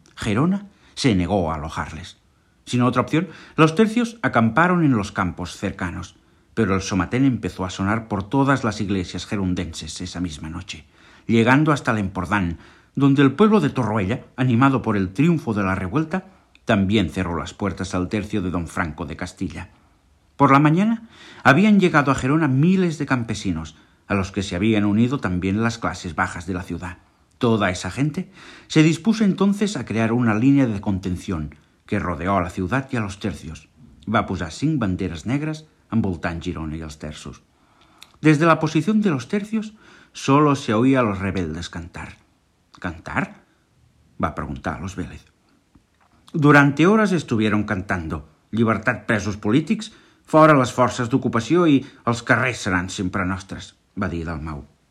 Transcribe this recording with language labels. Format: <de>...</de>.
<es>Gerona se negó a alojarles. Sin otra opción, los tercios acamparon en los campos cercanos, pero el somatén empezó a sonar por todas las iglesias gerundenses esa misma noche, llegando hasta el Empordán, donde el pueblo de Torroella, animado por el triunfo de la revuelta, también cerró las puertas al tercio de don Franco de Castilla. Por la mañana habían llegado a Gerona miles de campesinos, a los que se habían unido también las clases bajas de la ciudad. Toda esa gente se dispuso entonces a crear una línea de contención que rodeó a la ciudad y a los tercios.</es> <ca>Va a posar 5</ca> <es>banderas negras</es> <ca>envoltant Girona i els terços.</ca> <es>Desde la posición de los tercios solo se oía a los rebeldes cantar. ¿Cantar?</es> <ca>Va a preguntar a los Vélez.</ca> <es>Durante horas estuvieron cantando</es> <ca>«Libertad, presos polítics», «Fora les forces d'ocupació» i «Els carrers seran sempre nostres», va dir Dalmau.</ca>